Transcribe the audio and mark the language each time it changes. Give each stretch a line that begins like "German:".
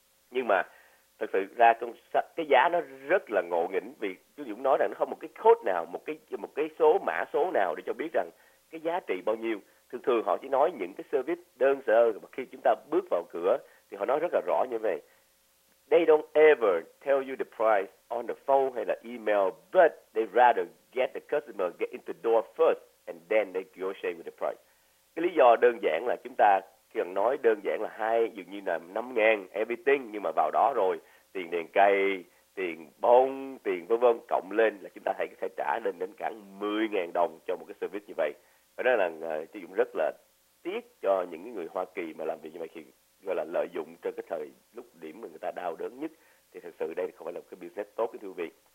Vietnamese: Nhưng mà thực sự ra cái giá nó rất là ngộ nghĩnh, vì chú Dũng nói rằng nó không một cái code nào, một cái số mã số nào để cho biết rằng cái giá trị bao nhiêu. Thường thường họ chỉ nói những cái service đơn sơ mà khi chúng ta bước vào cửa thì họ nói rất là rõ như vậy.
English: They don't ever tell you the price on the phone hay là email, but they rather get the customer get in the door first and then they negotiate with the price.
Vietnamese: Cái lý do đơn giản là chúng ta cần nói đơn giản là hai, dường như là 5.000 everything, nhưng mà vào đó rồi tiền đèn cây, tiền bông, tiền vân vân cộng lên là chúng ta thấy có thể trả lên đến cả 10.000 đồng cho một cái service như vậy. Và đó là sử dụng rất là tiếc cho những người Hoa Kỳ mà làm việc như vậy, khi gọi là lợi dụng cho cái thời lúc điểm mà người ta đau đớn nhất, thì thật sự đây không phải là một cái business tốt cái thưa quý vị.